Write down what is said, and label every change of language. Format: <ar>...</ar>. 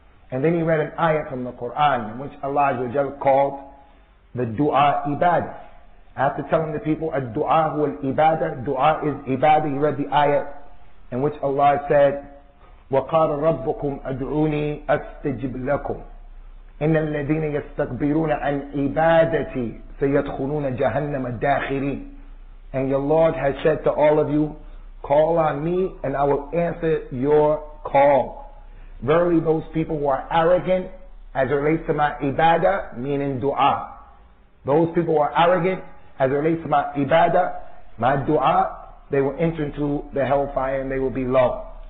<en>And then he read an ayah from the Quran in which Allah Azza wa Jalla called the dua ibadah. After telling the people,</en> <ar>"Ad-du'a huwa al-ibadah,"</ar> <en>dua is ibadah, he read the ayah in which Allah said,</en> <ar>وَقَالَ رَبُّكُمْ أَدْعُونِي أَسْتَجِبْ لَكُمْ. إن الذين يستكبرون عن عبادتي سيدخلون جهنم الداخلين.</ar> <en>And your Lord has said to all of you, call on me and I will answer your call. Verily those people who are arrogant as it relates to my ibadah, meaning dua. Those people who are arrogant as it relates to my ibadah, my dua, they will enter into the hellfire and they will be low.</en>